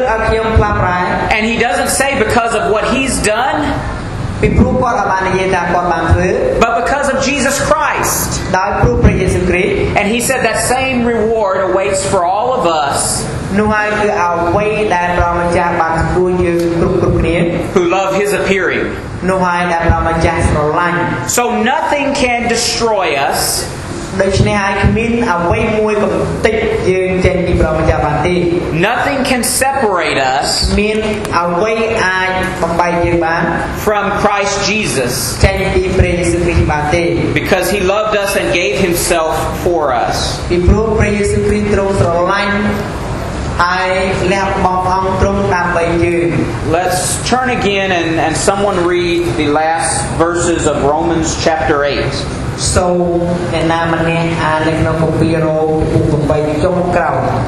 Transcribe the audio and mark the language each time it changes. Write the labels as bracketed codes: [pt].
[en] And he doesn't say because of what he's done. [km] ពីព្រោះគាត់បាននិយាយថាគាត់បានធ្វើ [en] But because of Jesus Christ [km] ដោយព្រោះព្រះយេស៊ូវគ្រីស្ទ [en] And he said that same reward awaits for all of us [km] នោះហើយគឺអ្វីដែលព្រះម្ចាស់បានទទួលយើងគ្រប់គ្រប់គ្នា [en] Who love his appearing [km] នោះហើយដែលព្រះម្ចាស់ស្រឡាញ់ [en] So nothing can destroy us [km] ដូច្នេះហើយគ្មានអ្វីមួយកំទេចយើងចេញពីព្រះម្ចាស់បានទេ [en] Nothing can separate us [km] មានអ្វីអាចបំបែកយើងបាន [en] From Christ Jesus [km] ចេញពីព្រះយេស៊ូវគ្រីស្ទបានទេ [en] Because he loved us and gave himself for us [km] ពីព្រោះព្រះយេស៊ូវគ្រីស្ទទ្រង់ស្រឡាញ់ហើយលះបង់អង្គទ្រង់ដើម្បីយើង [en] Let's turn again and someone read the last verses of Romans chapter 8 [km] So ឯណាម្នាក់អាចនៅក្នុងគម្ពីររ៉ូម8ចុងក្រោយ